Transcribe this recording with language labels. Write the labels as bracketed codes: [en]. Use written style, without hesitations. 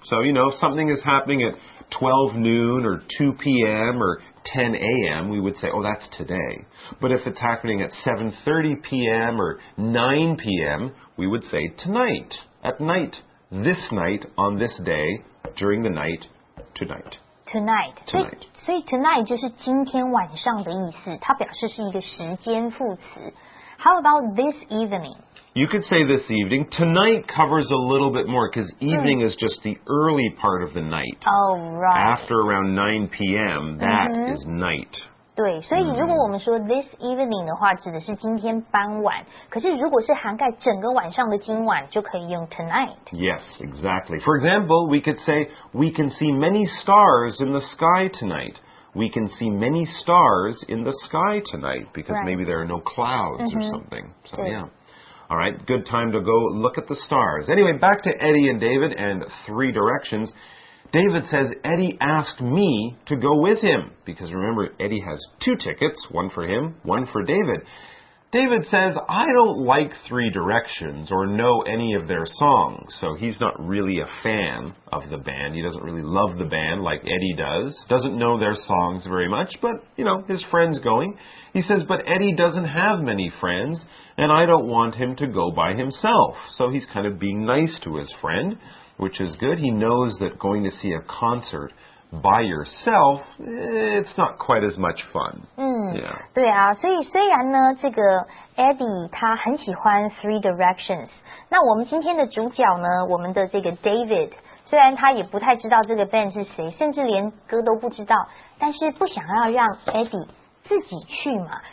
[en] So, you know, if something is happening at 12 noon or 2 p.m. or 10 a.m., we would say, oh, that's today. But if it's happening at 7:30 p.m. or 9 p.m., we would say tonight, at night, this night, on this day, during the night, tonight. Tonight. [zh] 所以 [en] tonight [zh] 就是今天晚上的意思, 它表示是一个时间副词。 [en] How about this evening? You could say this evening. Tonight covers a little bit more because evening is just the early part of the night. Oh, right. After around 9 p.m., that is night. [zh] 对，所以如果我们说 this evening 的话，指的是今天傍晚。可是如果是涵盖整个晚上的今晚，就可以用 tonight. [en] Yes, exactly. For example, we could say we can see many stars in the sky tonight. We can see many stars in the sky tonight because maybe there are no clouds or something. So yeah. All right, good time to go look at the stars. Anyway, back to Eddie and David and Three Directions. David says Eddie asked me to go with him, because remember, Eddie has two tickets, one for him, one for David. David says, I don't like Three Directions or know any of their songs, so he's not really a fan of the band. He doesn't really love the band like Eddie does, doesn't know their songs very much, but, you know, his friend's going. He says, but Eddie doesn't have many friends, and I don't want him to go by himself, so he's kind of being nice to his friend. which is good. He knows that going to see a concert by yourself, it's not quite as much fun. 嗯， yeah. [zh] 对啊，所以虽然呢，这个 Eddie 他很喜欢 Three Directions， 那我们今天的主角呢，我们的这个 David， 虽然他也不太知道这个 band 是谁，甚至连歌都不知道，但是不想要让 Eddie 自己去嘛。